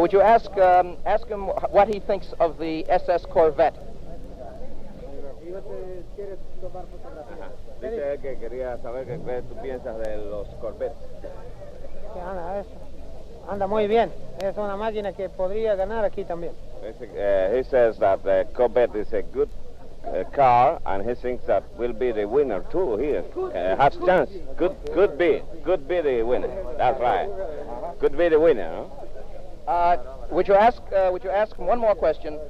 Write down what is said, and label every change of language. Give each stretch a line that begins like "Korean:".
English: Would you ask him what he thinks of the SS Corvette?
Spanish: Dice que quería saber qué tú piensas de los Corvettes. Anda muy bien. Es una máquina que podría ganar aquí también.
English: He says that the Corvette is a good car, and he thinks that will be the winner too here. Has chance. Could be the winner. That's right. Could be the winner. Would you ask him one more question?